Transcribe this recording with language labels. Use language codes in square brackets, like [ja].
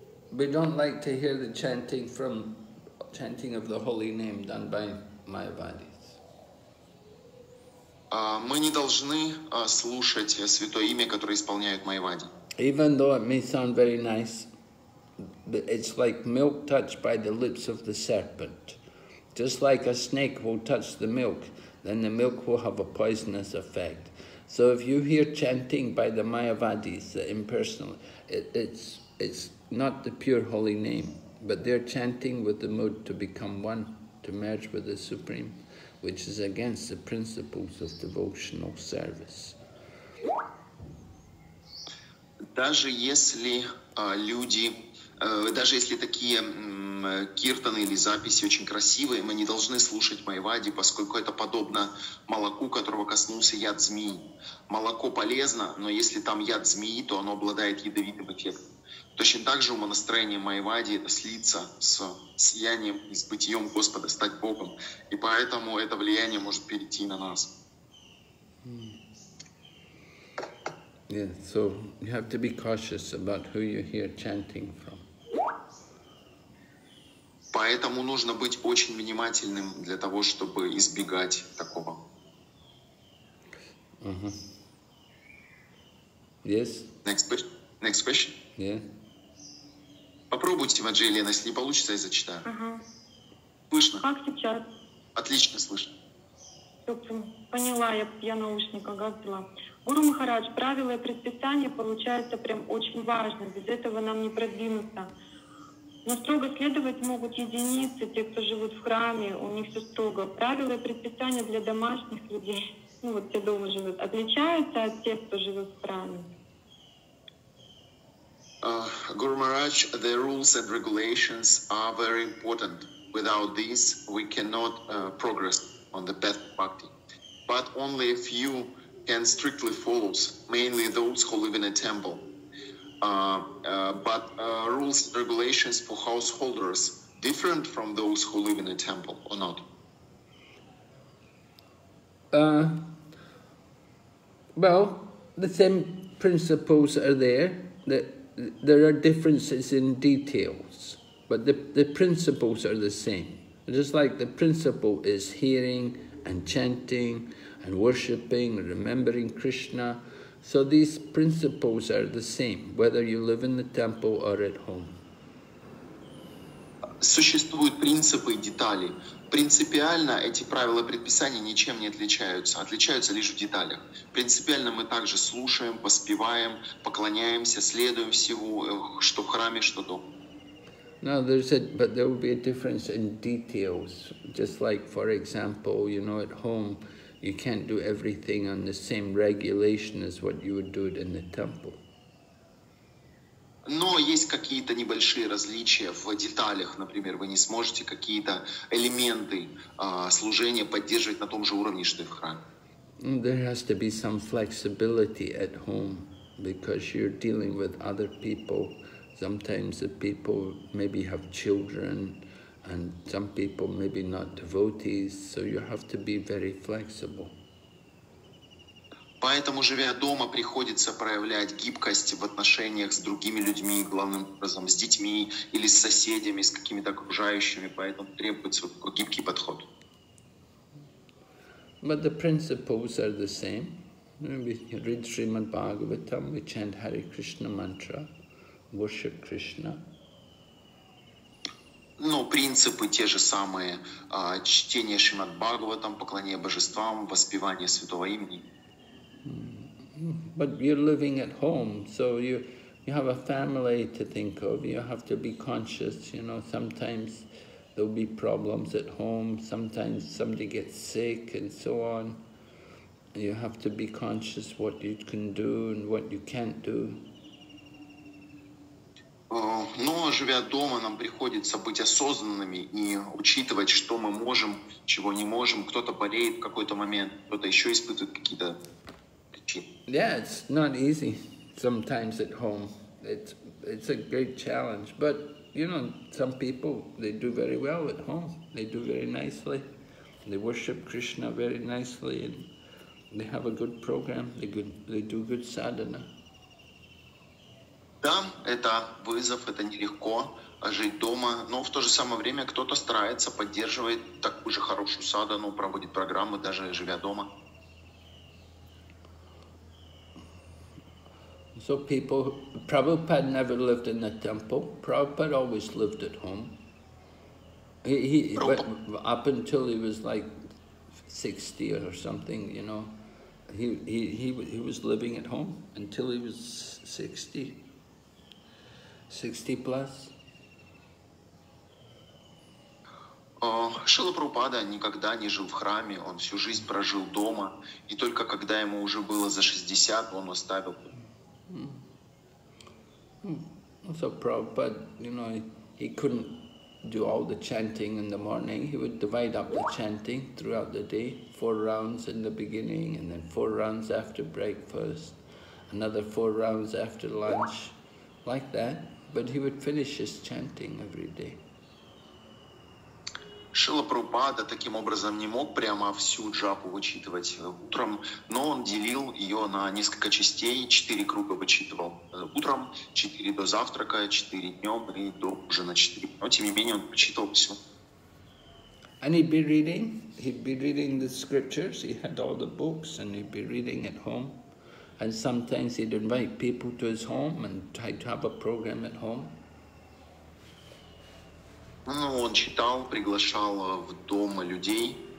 [en] We don't like to hear the chanting of the holy name done by Mayavadis. [ru] Мы не должны слушать святое имя, которое исполняют майвади. [en] Even though it may sound very nice, it's like milk touched by the lips of the serpent. Just like a snake will touch the milk, then the milk will have a poisonous effect. So if you hear chanting by the Mayavadis, the impersonal, it's not the pure holy name, but they're chanting with the mood to become one, to merge with the Supreme, which is against the principles of devotional service. [ru] Даже если люди, даже если такие киртаны или записи очень красивые, мы не должны слушать майвади, поскольку это подобно молоку, которого коснулся яд змеи. Молоко полезно, но если там яд змеи, то оно обладает ядовитым эффектом. Точно так же умонастроение майвади — это слиться с сиянием и с бытием Господа, стать Богом. И поэтому это влияние может перейти на нас. [en] Yeah, so you have to be cautious about who you hear chanting from. [ru] Поэтому нужно быть очень внимательным для того, чтобы избегать такого. [en] Uh-huh. Yes? Next question? Yeah. [ru] Попробуйте, Маджи Елена, если не получится, я зачитаю. Угу. Слышно? Как сейчас? Отлично слышно. Поняла, я наушника, как дела? Гуру Махарадж, правила и предписания получаются прям очень важны, без этого нам не продвинуться. Но строго следовать могут единицы, те, кто живут в храме, у них все строго. Правила и предписания для домашних людей, ну вот те дома живут, отличаются от тех, кто живет в храме? [en] Guru Maharaj, the rules and regulations are very important. Without these, we cannot progress on the path of bhakti. But only a few can strictly follow, mainly those who live in a temple. But rules and regulations for householders different from those who live in a temple or not? Well, the same principles are there. There are differences in details, but the principles are the same. Just like the principle is hearing and chanting and worshipping, remembering Krishna, So these principles are the same, whether you live in the temple or at home. [ru] Существуют принципы и детали. Принципиально эти правила предписания ничем не отличаются, отличаются лишь в деталях. Принципиально мы также слушаем, поспеваем, поклоняемся, следуем всему, что в храме, что дома. [en] Now there's a, but there will be a difference in details. Just like, for example, you know, at home, you can't do everything on the same regulation as what you would do it in the temple. [ru] Но есть какие-то небольшие различия в деталях, например, вы не сможете какие-то элементы служения поддерживать на том же уровне, что и в храме. [en] There has to be some flexibility at home, because you're dealing with other people. Sometimes the people maybe have children, and some people maybe not devotees, so you have to be very flexible. [ru] Поэтому, живя дома, приходится проявлять гибкость в отношениях с другими людьми, главным образом с детьми или с соседями, с какими-то окружающими, поэтому требуется гибкий подход. [en] But the principles are the same. We read Srimad Bhagavatam, we chant Hare Krishna mantra, worship Krishna. [ru] Но принципы те же самые. Чтение Шримад Бхагаватам, поклонение божествам, воспевание святого имени. [en] But you're living at home, so you have a family to think of. You have to be conscious, you know, sometimes there'll be problems at home, sometimes somebody gets sick and so on. You have to be conscious what you can do and what you can't do. [ru] Но, живя дома, нам приходится быть осознанными и учитывать, что мы можем, чего не можем. Кто-то болеет в какой-то момент, кто-то еще испытывает какие-то... [en] Yeah, it's not easy sometimes at home. It's a great challenge. But, you know, some people, they do very well at home. They do very nicely. They worship Krishna very nicely. And they have a good program. They do good sadhana. [ru] Да, это вызов, это нелегко жить дома. Но в то же самое время кто-то старается, поддерживает такую же хорошую садхану, проводит программы, даже живя дома. [en] So people, Prabhupada never lived in the temple. Prabhupada always lived at home. He up until he was like 60 or something, you know, he was living at home until he was 60 plus. [ru] Шрила Прабхупада никогда не жил в храме, он всю жизнь прожил дома, и только когда ему уже было за 60, он оставил. [en] So Prabhupada, you know, he couldn't do all the chanting in the morning. He would divide up the chanting throughout the day, 4 rounds in the beginning, and then 4 rounds after breakfast, another 4 rounds after lunch, like that. But he would finish his chanting every day. [ru] Шрила Прабхупада таким образом не мог прямо всю джапу вычитывать утром, но он делил ее на несколько частей, 4 круга вычитывал утром, 4 до завтрака, 4 днем и до ужина 4. Но тем не менее он вычитывал все. [en] And he'd be reading the scriptures, he had all the books, and he'd be reading at home. And sometimes he'd invite people to his home and try to have a program at home. [ru] Ну, он читал, приглашал в дом людей.